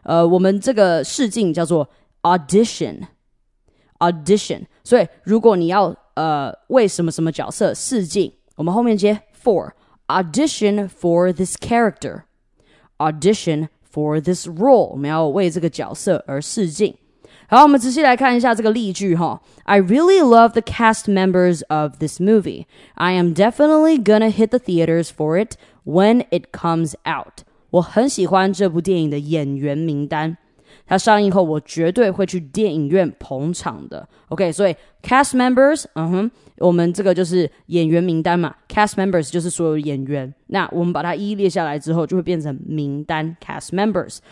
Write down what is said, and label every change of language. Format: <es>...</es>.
<zh>我们这个试镜叫做 audition。所以如果你要为什么什么角色试镜，我们后面接 for</zh> <en>audition for this character， audition for this role，</en> <zh>我们要为这个角色而试镜。好，我们仔细来看一下这个例句哈。</zh> <en>I really love the cast members of this movie. I am definitely gonna hit the theaters for it when it comes out.</en> <zh>我很喜欢这部电影的演员名单，它上映后我绝对会去电影院捧场的。 OK， 所以 cast members， 我们这个就是演员名单嘛。 Cast members 就是所有演员。那我们把它一一列下来之后，就会变成名单 cast members。</zh>